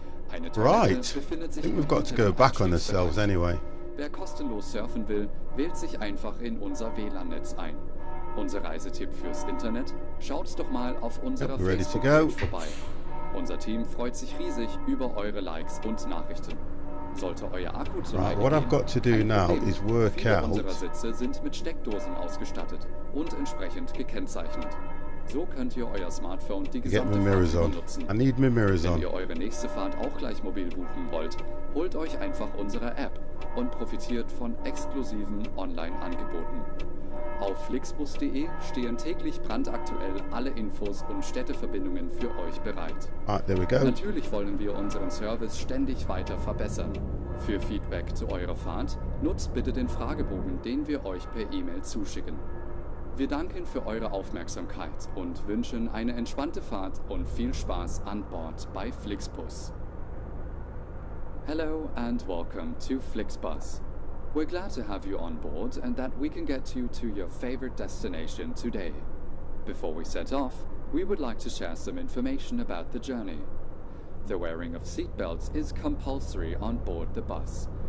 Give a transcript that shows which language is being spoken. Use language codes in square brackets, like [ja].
[de] Eine Toilette befindet sich im Anschlussbereich. Wer kostenlos surfen will, wählt sich einfach in unser WLAN-Netz ein. Unser Reisetipp fürs Internet? Schaut doch mal auf unserer Facebook-Page vorbei. Unser Team freut sich riesig über eure Likes und Nachrichten. [en] Right, what I've got to do now is work out. [de] Viele unserer Sitze sind mit Steckdosen ausgestattet und entsprechend gekennzeichnet. So könnt ihr euer Smartphone die gesamte Fahrt benutzen. [en] I need my mirrors on. [de] Wenn ihr eure nächste Fahrt auch gleich mobil buchen wollt, holt euch einfach unsere App und profitiert von exklusiven Online-Angeboten. Auf flixbus.de stehen täglich brandaktuell alle Infos und Städteverbindungen für euch bereit. [en] Ah, there we go. [de] Natürlich wollen wir unseren Service ständig weiter verbessern. Für Feedback zu eurer Fahrt nutzt bitte den Fragebogen, den wir euch per E-Mail zuschicken. Wir danken für eure Aufmerksamkeit und wünschen eine entspannte Fahrt und viel Spaß an Bord bei Flixbus. [en] Hello and welcome to Flixbus. We're glad to have you on board and that we can get you to your favorite destination today. Before we set off, we would like to share some information about the journey. The wearing of seatbelts is compulsory on board the bus.